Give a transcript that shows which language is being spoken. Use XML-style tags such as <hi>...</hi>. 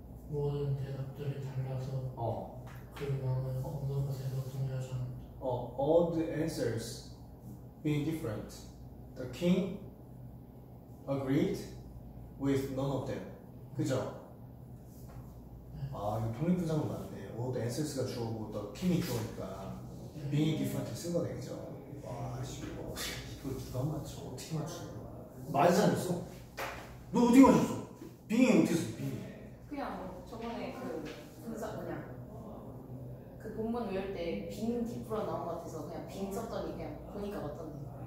<ko>모든 대답들이 달라서 그 마음을 어느 곳에서 동의하지 않는다.</ko> <en>All the answers being different. The king agreed with none of them.</en> <ko>그죠? 네. 아, 이거 독립분석은 맞네.</ko> <en>All the answers</en> <ko>가 주어고 the king이 주어니까</ko> <en>being different</en> <ko>쓴 거네, 그죠? 와, 이거 누가 맞춰? 어떻게 맞춰? 맞지 않았어? 너 어떻게 맞췄어? 빙이 어떻게 했어? 빙이 그냥 저번에 그 분사 그냥 그 본문 외울 때 빙 디프로 나온 것 같아서 그냥 빙 썼더니 그냥 보니까 맞던데.</ko>